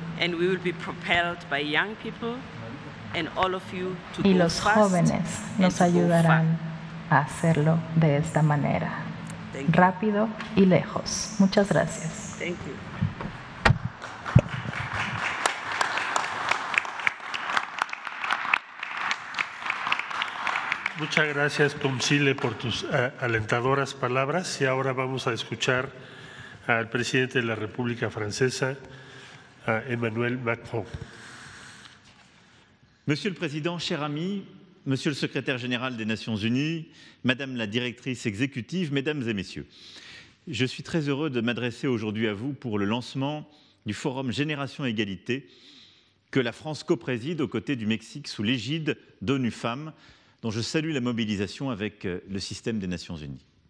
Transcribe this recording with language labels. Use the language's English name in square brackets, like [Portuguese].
[English] And we will be propelled by young people and all of you to [Spanish] y los jóvenes nos ayudarán a hacerlo de esta manera. [English] Thank [Spanish] rápido [English] you. [Spanish] Y lejos. Muchas gracias. [English] Thank you. [Spanish] Muchas gracias, Tomsile, por tus alentadoras palabras. Y ahora vamos a escuchar al presidente de la República Francesa, Emmanuel Macron. [French] Monsieur le Président, cher ami, Monsieur le Secrétaire Général des Nations Unies, Madame la Directrice Exécutive, Mesdames et Messieurs, je suis très heureux de m'adresser aujourd'hui à vous pour le lancement du Forum Génération Égalité que la France copréside aux côtés du Mexique sous l'égide d'ONU Femmes, dont je salue la mobilisation avec le système des Nations Unies.